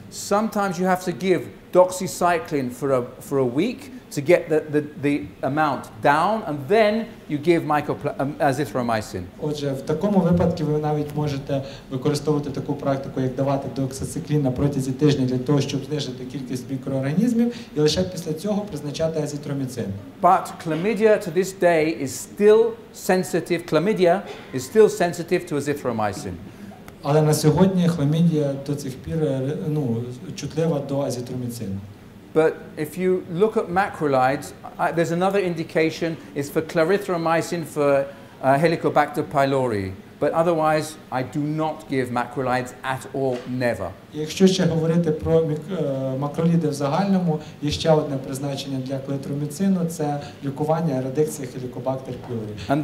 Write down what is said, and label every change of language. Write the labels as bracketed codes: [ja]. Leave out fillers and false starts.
[en] Sometimes you have to give doxycycline for a week to get the amount down, and then you give azithromycin. [uk] Отже, в такому випадку ви навіть можете використовувати таку практику, як давати доксициклін на протязі тижня для того, щоб знижити кількість мікроорганізмів, і лише після цього призначати азитромицин. [en] But chlamydia to this day is still sensitive. Chlamydia is still sensitive to azithromycin. [uk] Але на сьогодні хламідія до цих пір чутлива до азитромицину. [en] But if you look at macrolides, there's another indication is for clarithromycin for Helicobacter pylori. But otherwise, I do not give macrolides at all, never. [uk] Якщо ще говорити про макроліди в загальному, є ще одне призначення для клетроміцину – це лікування ерадикції Helicobacter pylori.